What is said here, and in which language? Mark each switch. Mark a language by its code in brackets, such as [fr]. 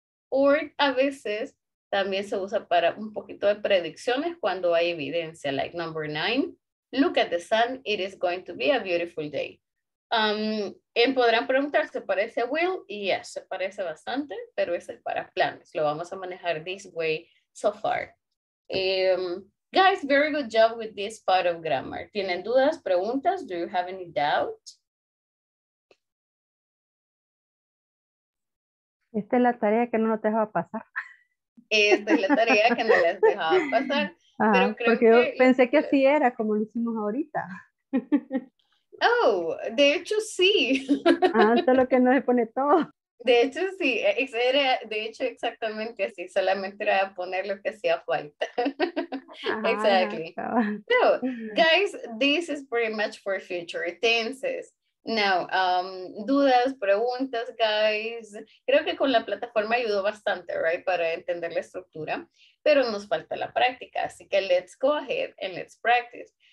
[es] Or a veces también se usa para un poquito de predicciones cuando hay evidencia. [en] Like number 9, look at the sun. It is going to be a beautiful day. [es] Podrán preguntar, ¿se parece a Will? Yes, se parece bastante, pero ese es para planes. Lo vamos a manejar [en] this way so far. Guys, very good job with this part of grammar. [es] ¿Tienen dudas, preguntas? [en] Do you have any doubt? [es] Esta es la tarea que no nos dejaba pasar. Esta es la tarea que no les dejaba pasar. Ah, pero creo porque que... yo pensé que así era, como lo hicimos ahorita. Oh, de hecho sí. Ah, esto es lo que nos pone todo. De hecho sí, era de hecho exactamente así, solamente era poner lo que hacía falta. [en] Exactly. So, guys, this is pretty much for future tenses. [es] Now, dudas, preguntas, guys. Creo que con la plataforma ayudó bastante, right, para entender la estructura, pero nos falta la práctica, así que [en] let's go ahead and let's practice.